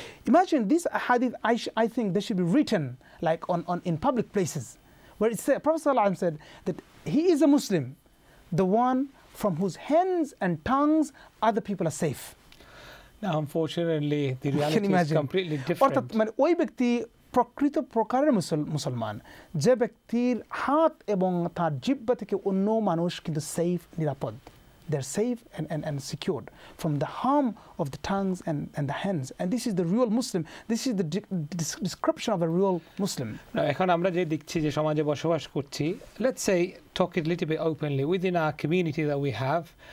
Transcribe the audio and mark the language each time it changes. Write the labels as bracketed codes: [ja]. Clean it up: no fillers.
[en] Imagine this hadith, I think they should be written like on in public places, where it said, Prophet ﷺ said that he is a Muslim, the one from whose hands and tongues other people are safe. Now, unfortunately, the reality is completely different. [bn] অর্থাৎ মানে ওই ব্যক্তি প্রকৃত প্রকারের মুসলমান যে ব্যক্তির হাত এবং তার জিহ্বা থেকে অন্য মানুষ কিন্তু সেফ নিরাপদ. [en] They're safe and secured from the harm of the tongues and the hands. And this is the real Muslim. This is the description of a real Muslim. Now, [bn] এখন আমরা যে দেখছি যে সমাজে বসবাস করছি, [en] let's say, talk it a little bit openly within our community that we have.